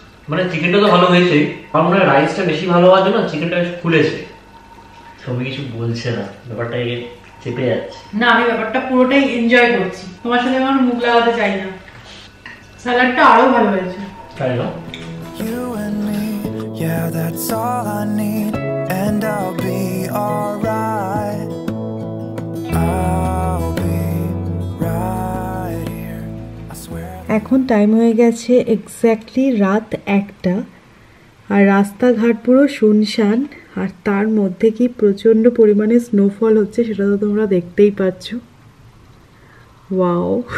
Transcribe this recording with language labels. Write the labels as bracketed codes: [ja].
[bn] মানে চিকেনটা তো ভালো হয়েছে, আমার মনে হয় রাইসটা বেশি ভালো হওয়ার জন্য চিকেনটা বেশ ফুলেছে। সবই কিছু বলছে না, ব্যাপারটা চেপে যাচ্ছে না। আমি ব্যাপারটা পুরোটাই এনজয় করছি, তোমার সাথে আমার মুখ লাগাতে চাই না। স্যালাডটা আরো ভালো হয়েছে, তাই না? [en] You and me, yeah that's all I need, and I'll be alright, I'll be right here, I swear. [bn] এখন টাইম হয়ে গেছে এক্স্যাক্টলি রাত একটা, আর রাস্তাঘাট পুরো শুনশান, আর তার মধ্যে কি প্রচণ্ড পরিমাণে স্নোফল হচ্ছে সেটা তো তোমরা দেখতেই পাচ্ছ। ওয়াও,